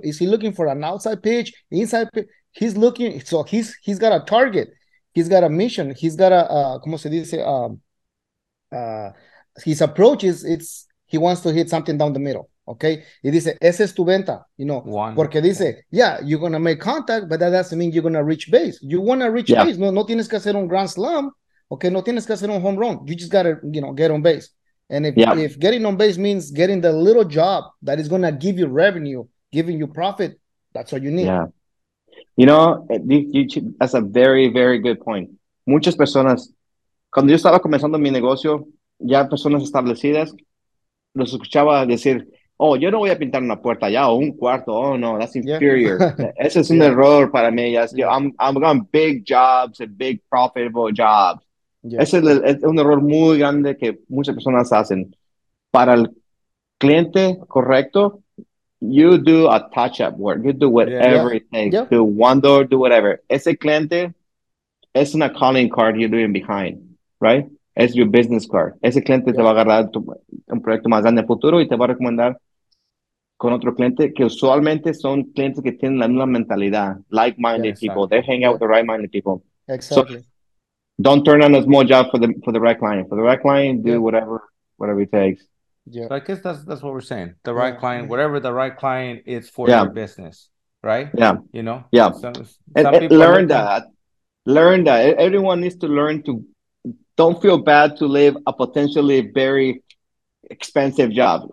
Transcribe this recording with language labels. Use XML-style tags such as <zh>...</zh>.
<en>Is he looking for an outside pitch, inside pitch? He's looking, so he's got a target. He's got a mission. He's got a,</en> <es>¿cómo se dice?</es> <en>His approach is, it's, he wants to hit something down the middle, okay?</en> <es>Y dice, esa es tu venta,</es> <en>you know? One.</en> <es>Porque dice,</es> <en>yeah, you're going to make contact, but that doesn't mean you're going to reach base. You want to reach base.</en> <es>No tienes que hacer un grand slam, okay? No tienes que hacer un home run.</es> <en>You just got to, you know, get on base. And if getting on base means getting the little job that is going to give you revenue, giving you profit, that's what you need. Yeah. You know, that's a very, very good point.</en> <es>Muchas personas, cuando yo estaba comenzando mi negocio, ya personas establecidas, los escuchaba decir, oh, yo no voy a pintar una puerta ya, o un cuarto, oh no,</es> <en>that's inferior.</en> <es>Yeah. Ese es un error para mí. Yes. Yeah.</es> <en>I'm going big jobs and big profitable jobs. Yeah.</en> <es>Ese es un error muy grande que muchas personas hacen. Para el cliente correcto,</es> <en>you do a touch-up work. You do whatever it takes. Yeah. Do one door, do whatever.</en> <es>Ese cliente es una</es> <en>calling card you're doing behind, right? It's your business card.</en> <es>Ese cliente te va a agarrar un proyecto más grande en el futuro y te va a recomendar con otro cliente que usualmente son clientes que tienen la misma mentalidad.</es> <en>Like-minded people. They hang out with the right-minded people. Exactly. So, don't turn on a small job for the right client. For the right client, do whatever it takes. Yeah, so I guess that's what we're saying. The right client, whatever the right client is for your business, right? Yeah. You know? Yeah. Learn that. Everyone needs to learn to, don't feel bad to leave a potentially very expensive job.</en>